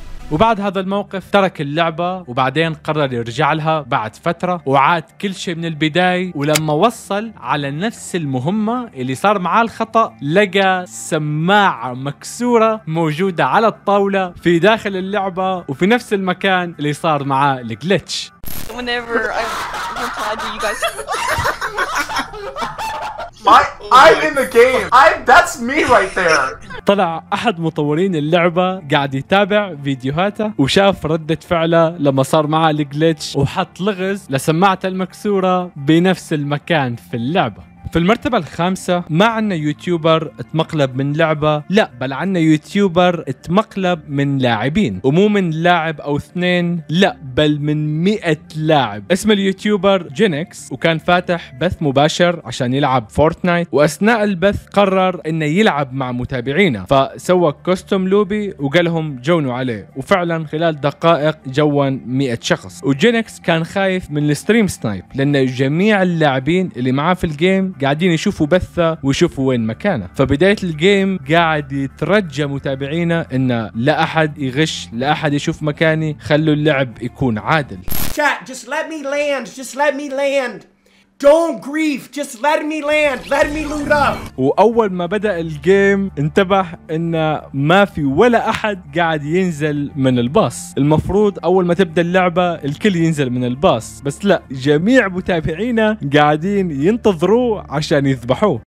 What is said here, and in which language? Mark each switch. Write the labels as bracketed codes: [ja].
[ar] وبعد هذا الموقف ترك اللعبة، وبعدين قرر يرجع لها بعد فترة وعاد كل شيء من البداية، ولما وصل على نفس المهمة اللي صار معاه الخطأ لقى سماعة مكسورة موجودة على الطاولة في داخل اللعبة وفي نفس المكان اللي صار معاه الجلتش. Oh [en] whenever I replied to you guys. I'm in the game. That's me right there. [ar] طلع أحد مطورين اللعبة قاعد يتابع فيديوهاته وشاف ردة فعله لما صار معه الجليتش وحط لغز لسماعة المكسورة بنفس المكان في اللعبة. في المرتبة الخامسة ما عنا يوتيوبر اتمقلب من لعبة، لا بل عنا يوتيوبر اتمقلب من لاعبين، ومو من لاعب أو اثنين، لا بل من 100 لاعب. اسم اليوتيوبر جينكس وكان فاتح بث مباشر عشان يلعب فورتنايت، وأثناء البث قرر إنه يلعب مع متابعينه، فسوى كوستوم لوبي وقالهم جونوا عليه، وفعلا خلال دقائق جون 100 شخص. وجينكس كان خايف من الستريم سنايب لأن جميع اللاعبين اللي معاه في الجيم قاعدين يشوفوا بثه ويشوفوا وين مكانه. فبداية الجيم قاعد يترجى متابعينا ان لا احد يغش، لا احد يشوف مكاني، خلوا اللعب يكون عادل. [en] Chat, just let me land, just let me land. Don't grief, just let me land, let me loot up. [ar] واول ما بدا الجيم انتبه ان ما في ولا احد قاعد ينزل من الباص. المفروض اول ما تبدا اللعبه الكل ينزل من الباص، بس لا، جميع متابعينا قاعدين ينتظروه عشان يذبحوه.